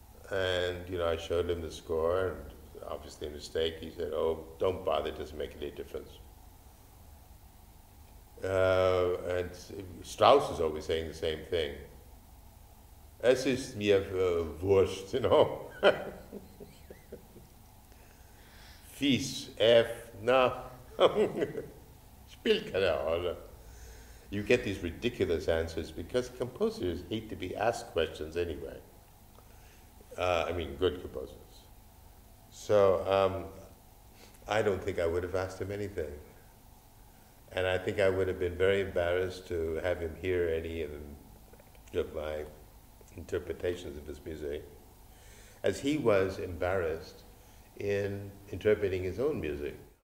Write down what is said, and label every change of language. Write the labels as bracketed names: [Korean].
[English] And, I showed him the score, and obviously a mistake. He said, oh, don't bother, it doesn't make any difference. And Strauss is always saying the same thing. [German] Es ist mir wurscht, Fies, F, na, spielt keine Rolle. [English] You get these ridiculous answers because composers hate to be asked questions anyway. Good composers. So I don't think I would have asked him anything. And I think I would have been very embarrassed to have him hear any of my interpretations of his music, as he was embarrassed in interpreting his own music.